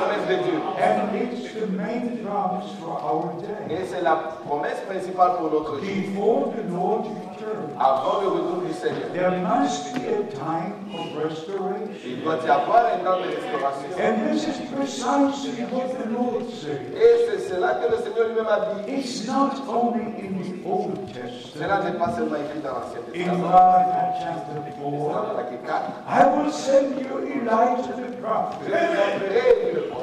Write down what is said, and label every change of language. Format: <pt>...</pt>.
<en>And it's the main promise for our day.</en> <fr>Et c'est la promesse principale pour notre jour.</fr> <en>Before the Lord returns,</en> <fr>avant le retour du Seigneur,</fr> <en>there must be a time of restoration.</en> <fr>Il doit y avoir un temps de restauration.</fr> <en>And this is precisely what the Lord said.</en> <fr>Et c'est cela que le Seigneur lui-même a dit.</fr> <en>It's not only in the Old Testament.</en> <fr>Cela n'est pas seulement écrit dans l'Ancien Testament.</fr> <en>In Malachi chapter 4, I will send you Elijah the prophet.</en>